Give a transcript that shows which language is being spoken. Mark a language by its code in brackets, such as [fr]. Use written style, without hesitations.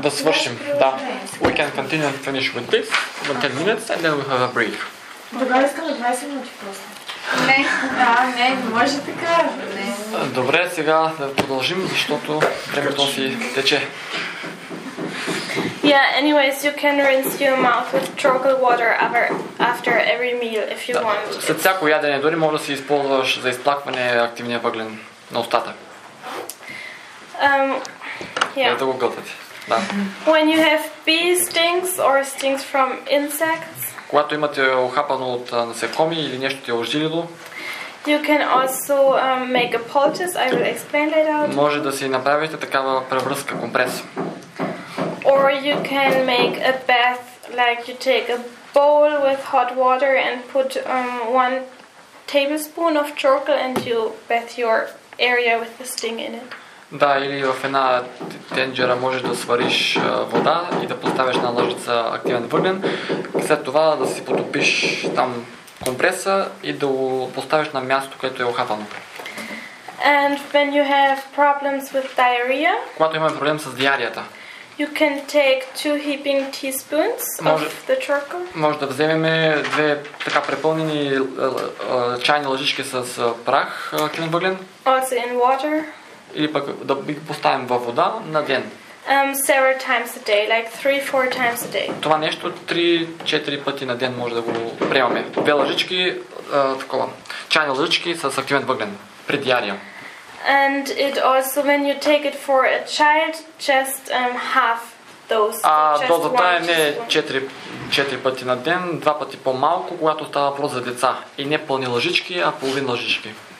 [bg] Да свършим, да. [en] We can continue and finish with this, 10 minutes, and then we have a break. [bg] Тогава искам 20 минути просто. Не може така. Добре, сега да продължим, защото времето си тече. [en] Yeah, anyways, you can rinse your mouth with charcoal water after every meal if you want. [bg] След всяко ядене, дори може да си използваш за изплакване активния въглен на устата. [en] Yeah. [bg] Да го гълтате. Да. [en] When you have bee stings or stings from insects, [bg] когато имате охапано от насекоми или нещо ти е ожилило, [en] you can also make a poultice. I will explain that out. [bg] Може да си направите такава превръзка, компрес. [en] Or you can make a bath, like you take a bowl with hot water and put one tablespoon of charcoal and you bath your area with the sting in it. [bg] Да, или в една тенджера можеш да свариш вода и да поставиш на лъжица активен въглен. След това да си потопиш там компреса и да го поставиш на място, което е охапано. [en] And when you have problems with diarrhea, [bg] когато имаме проблем с диарията, [en] you can take 2 heaping teaspoons of the charcoal. [bg] Може да вземем 2 така препълнени чайни лъжички с прах активен въглен. [en] Also in water. [bg] Или пък да ги поставим във вода на ден. [en] Several times a day, like 3-4 times a day. [bg] Това нещо 3-4 пъти на ден може да го приемаме. 2 лъжички, такова, чайни лъжички с активен въглен при диария. [en] And it also, when you take it for a child, just half those. [bg] А дозата е не 4 пъти на ден, 2 пъти по-малко, когато става въпрос за деца. И не пълни лъжички, а половин лъжички.